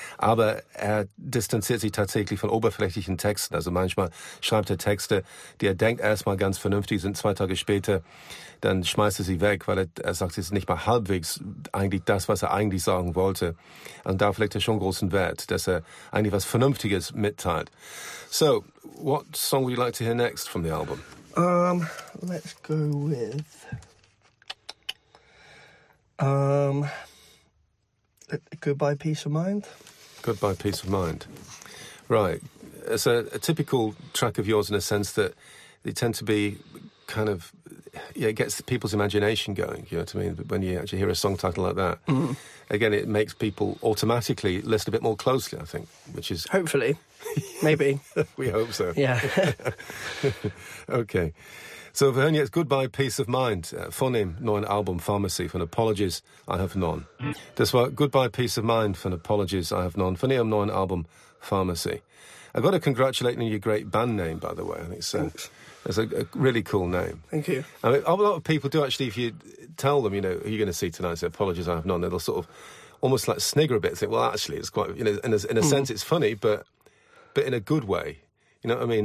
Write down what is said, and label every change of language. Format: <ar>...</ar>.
<de>Aber er distanziert sich tatsächlich von oberflächlichen Texten. Also manchmal schreibt er Texte, die er denkt erstmal ganz vernünftig, sind zwei Tage später, dann schmeißt er sie weg, weil er sagt, es ist nicht mal halbwegs eigentlich das, was er eigentlich sagen wollte. Und darauf legt er schon großen Wert, dass er eigentlich was Vernünftiges mitteilt.</de> <en>So, what song would you like to hear next from the album? Let's go with Goodbye Peace of Mind. Goodbye Peace of Mind. Right. It's a typical track of yours in a sense that they tend to be kind of, yeah, it gets people's imagination going, you know what I mean, when you actually hear a song title like that. Mm-hmm. Again, it makes people automatically listen a bit more closely, I think, which is... Hopefully. Maybe. We hope so. Yeah. Okay.</en> <de>So, wir hören jetzt Goodbye, Peace of Mind, von dem neuen Album Pharmacy, von Apologies, I Have None. Das war Goodbye, Peace of Mind, von Apologies, I Have None, von ihrem neuen Album Pharmacy.</de> <en>I've got to congratulate you on your great band name, by the way. I think so. Thanks. It's a really cool name. Thank you. I mean, a lot of people do actually, if you tell them, you know, who you're going to see tonight, say, Apologies, I Have None, they'll sort of almost like snigger a bit and think, well, actually, it's quite, you know, in a sense, it's funny, but in a good way. You know what I mean?</en>